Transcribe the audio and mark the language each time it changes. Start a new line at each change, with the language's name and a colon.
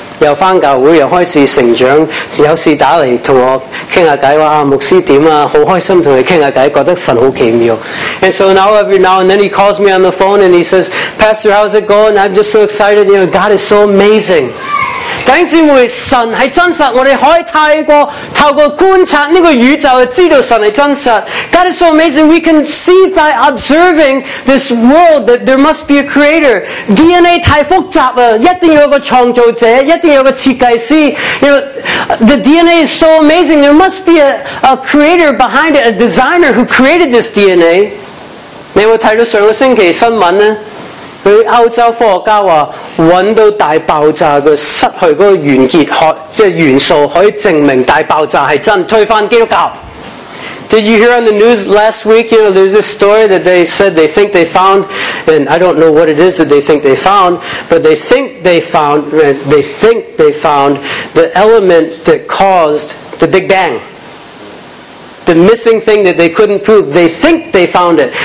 Cantonese: 又翻教会，又开始成长，有事打嚟同我倾下偈，话啊牧师点啊，好开心同你倾下偈，觉得神好奇妙。
English: And so now every now and then he calls me on the phone and he says, Pastor, how's it going? I'm just so excited. You know, God is so amazing.
Cantonese: 弟兄姊妹，神系真实，我哋可以透过观察呢个宇宙，知道神系真实。
English: God is so amazing. We can see by observing this world that there must be a creator.
Cantonese: DNA 太复杂啦，一定有一个创造者，一定有一个设计师。
English: You know, the DNA is so amazing. There must be a creator behind it, a designer who created this DNA.
Cantonese: 你有冇睇到上个星期新闻呢？佢歐洲科學家話揾到大爆炸嘅失去嗰個元結核，即係元素，可以證明大爆炸係真，推翻基督教。
English: Did you hear on the news last week? You know, there's this story that they said they think they found, and I don't know what it is that they think they found, but they think they found the element that caused the Big Bang. The missing thing that they couldn't prove. They think they found it.